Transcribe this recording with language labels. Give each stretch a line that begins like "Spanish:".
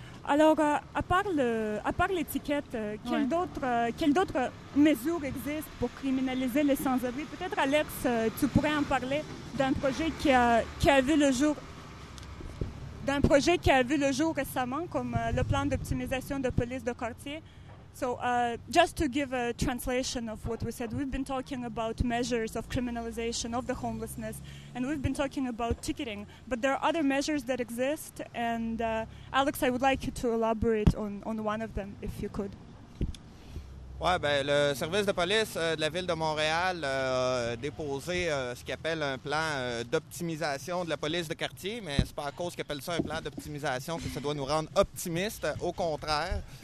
French: Alors, à part l'étiquette, quelles d'autres mesures existent pour criminaliser les sans-abri? Peut-être, Alex, tu pourrais en parler d'un projet qui a vu le jour récemment, comme le plan d'optimisation de police de quartier.
English: So, just to give a translation of what we said, we've been talking about measures of criminalization of the homelessness, and we've been talking about ticketing, but there are other measures that exist, and Alex, I would like you to elaborate on one of them, if you could.
French: Ouais, ben le service de police de la ville de Montréal a déposé ce qu'il appelle un plan d'optimisation de la police de quartier, mais c'est pas à cause qu'il appelle ça un plan d'optimisation que ça doit nous rendre optimistes, au contraire.